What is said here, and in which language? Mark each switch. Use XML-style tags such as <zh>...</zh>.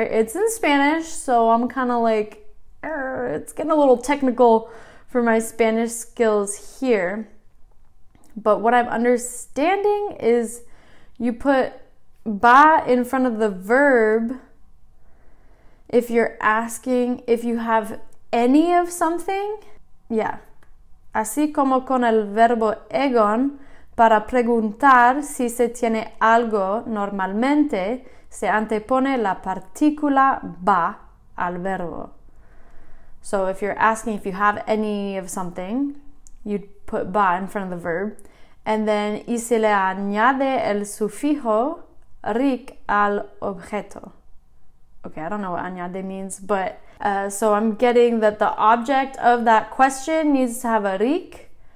<en>It's in Spanish, so I'm kind of like, it's getting a little technical for my Spanish skills here. But what I'm understanding is you put ba in front of the verb if you're asking if you have any of something. Yeah.</en> <es>Así como con el verbo egon, para preguntar si se tiene algo, normalmente se antepone la partícula ba al verbo.</es> <en>So if you're asking if you have any of something, you'd put ba in front of the verb. And then,</en> <es>y se le añade el sufijo rik al objeto.</es> <en>Okay, I don't know what añade means, but so I'm getting that the object of that question needs to have a rik.</en>